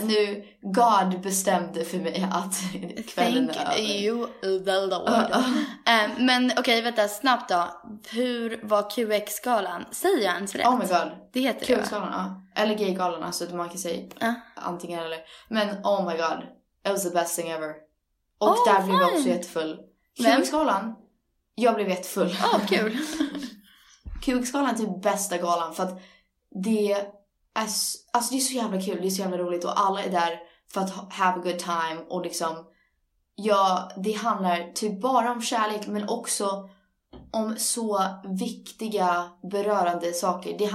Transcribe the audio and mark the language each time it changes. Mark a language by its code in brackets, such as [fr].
[sv] nu, God bestämde för mig att kvällen är över. [en] Thank you the Lord. [sv] Men okej, vänta, snabbt då. Hur var QX-galan? Säger jag ens rätt? [en] Oh my god. [sv] Det heter QX-galan, det. QX-galan, ja. Eller gay-galan, alltså att man kan säga antingen eller. Men [en] oh my god, it was the best thing ever. [sv] Och oh, där fine. Blev jag också jättefull. QX-galan, jag blev jättefull. Ja, oh, kul. QX-galan är typ bästa galan för att det... Alltså det är så jävla kul, det är så jävla roligt och alla är där för att [en] have a good time [sv] och liksom, ja, det handlar typ bara om kärlek men också om så viktiga, berörande saker.